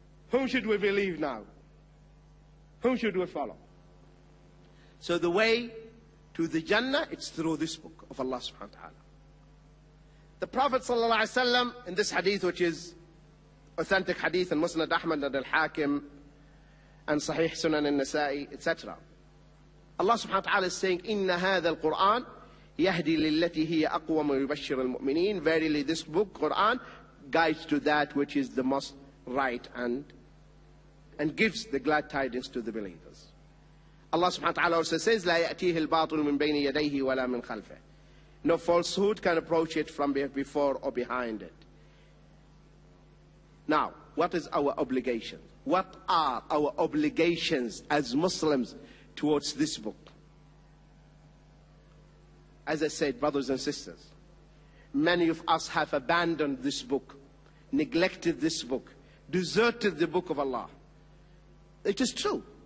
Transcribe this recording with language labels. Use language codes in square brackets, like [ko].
[en] Whom should we believe now? Whom should we follow? So the way to the Jannah, it's through this book of Allah subhanahu wa ta'ala. The Prophet sallallahu alayhi wa sallam, in this hadith, which is authentic hadith in Musnad Ahmad and Al-Hakim and Sahih Sunan al-Nasa'i, etc. Allah subhanahu wa ta'ala is saying, [ar] إِنَّ هَذَا الْقُرْآنِ يَهْدِي لِلَّتِي هِيَ أَقْوَمُ وَيُبَشِّرُ الْمُؤْمِنِينَ. [en] Verily, this book, Quran, guides to that which is the most right and gives the glad tidings to the believers. Allah subhanahu wa ta'ala also says, [ar] لَا يَأْتِيهِ الْبَاطُلُ مِنْ بَيْنِ يَدَيْهِ وَلَا مِنْ خَلْفِهِ. [en] No falsehood can approach it from before or behind it. Now, what is our obligation? What are our obligations as Muslims towards this book? As I said, brothers and sisters, many of us have abandoned this book, neglected this book, deserted the book of Allah. It is true.